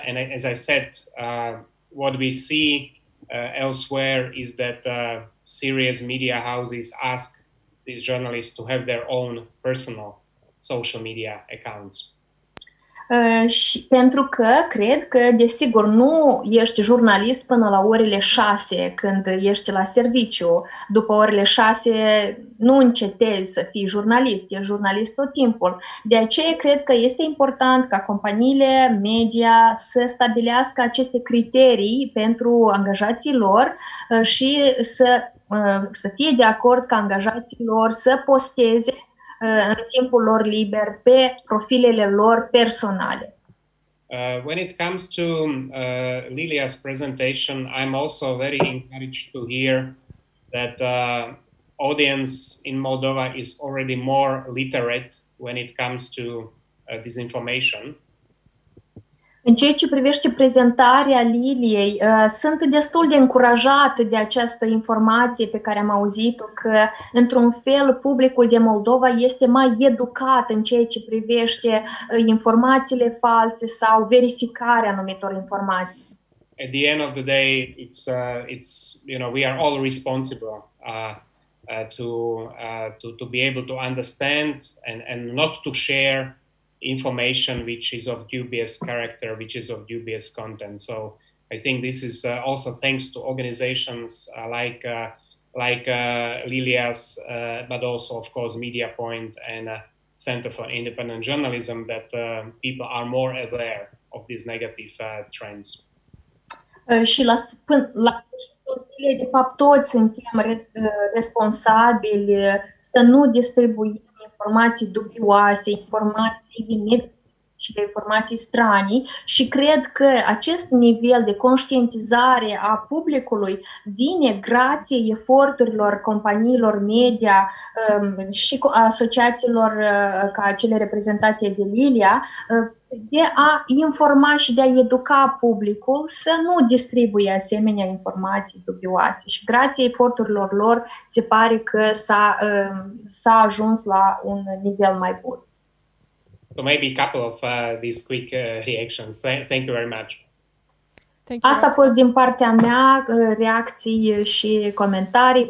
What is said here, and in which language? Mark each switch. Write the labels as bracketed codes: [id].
[en] And as I said, what we see elsewhere is that serious media houses ask these journalists to have their own personal social media accounts. [ro] Și pentru că cred că, desigur, nu ești jurnalist până la orele 6 când ești la serviciu. După orele 6 nu încetezi să fii jurnalist, ești jurnalist tot timpul. De aceea cred că este important ca companiile media să stabilească aceste criterii pentru angajații lor și să fie de acord ca angajații lor să posteze în timpul lor liber pe profilele lor personale. [en] When it comes to Lilia's presentation, I'm also very encouraged to hear that audience in Moldova is already more literate when it comes to disinformation. [ro] În ceea ce privește prezentarea Liliei, sunt destul de încurajat de această informație pe care am auzit-o, că într-un fel publicul de Moldova este mai educat în ceea ce privește informațiile false sau verificarea anumitor informații. [en] At the end of the day, it's you know, we are all responsible to be able to understand and not to share information which is of dubious character, which is of dubious content. So I think this is also thanks to organizations like Lilia's, but also of course Media Point and Center for Independent Journalism, that people are more aware of these negative trends. [ro] Și la spune, de fapt toți suntem responsabili să nu distribuim informații dubioase, informații vine și de informații strani, și cred că acest nivel de conștientizare a publicului vine grație eforturilor companiilor media și asociațiilor ca cele reprezentate de Lilia, de a informa și de a educa publicul să nu distribuie asemenea informații dubioase. Și grație eforturilor lor se pare că s-a ajuns la un nivel mai bun. [en] So maybe a couple of these quick reactions. Thank you very much. [ro] Asta a fost din partea mea, reacții și comentarii.